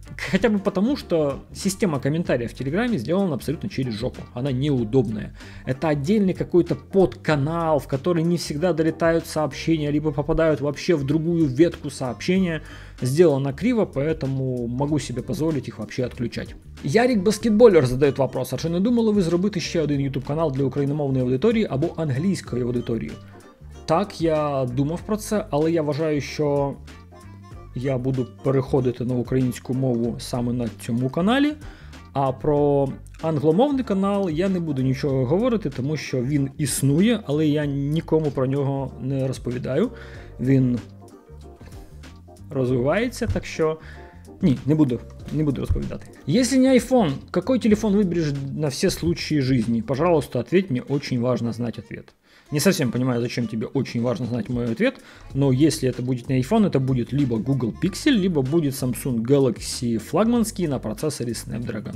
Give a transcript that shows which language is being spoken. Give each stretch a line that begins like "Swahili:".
Russian: Хотя бы потому, что система комментариев в Телеграме сделана абсолютно через жопу. Она неудобная. Это отдельный какой-то подканал, в который не всегда долетают сообщения, либо попадают вообще в другую ветку сообщения. Сделано криво, поэтому могу себе позволить их вообще отключать. Ярик Баскетболер задает вопрос.
Ukrainian: А чи не думали вы зробити ще один YouTube-канал для україномовної аудиторії або англійської аудиторії? Так, я думав про це, але я вважаю, що я буду переходити на українську мову саме на цьому каналі, а про англомовний канал я не буду нічого говорити, тому що він існує, але я нікому про нього не розповідаю. Він розвивається, так що ні, не буду розповідати. Якщо не iPhone, який телефон вибереш на всі случаї житті?
Russian: Пожалуйста, ответь мне, очень важно знать ответ. Не совсем понимаю, зачем тебе очень важно знать мой ответ, но если это будет не iPhone, это будет либо Google Pixel, либо будет Samsung Galaxy флагманский на процессоре Snapdragon.